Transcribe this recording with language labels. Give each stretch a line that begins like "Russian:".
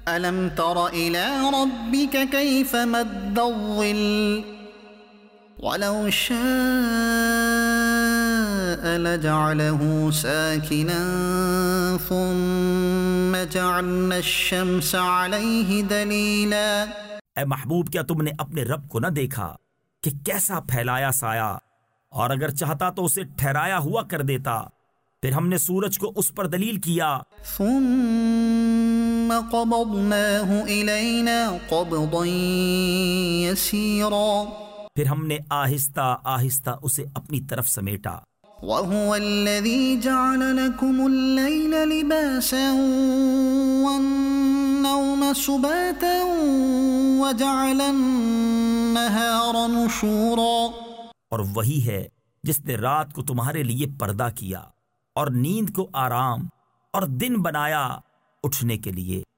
Arabic: الم تر الی ربک کیف مد الظل ولو شاء لجعله ساکنا ثم جعلنا الشمس علیہ دلیلا.
Urdu: اے محبوب, کیا تم نے اپنے رب کو نہ دیکھا کہ کیسا پھیلایا سایہ, اور اگر چاہتا تو اسے ٹھہرایا ہوا کر دیتا, پھر ہم نے سورج کو اس پر دلیل کیا.
Arabic: ثم قبضناه الينا قبضا يسيرا.
Urdu: پھر ہم نے آہستہ آہستہ اسے اپنی طرف سمیٹا.
Arabic: وهو الذي جعل لكم الليل لباسا والنوم سباتا وجعل النهار نشورا.
Urdu: اور وہی ہے جس نے رات کو تمہارے لیے پردہ کیا اور نیند کو آرام اور دن بنایا اٹھنے کے لیے.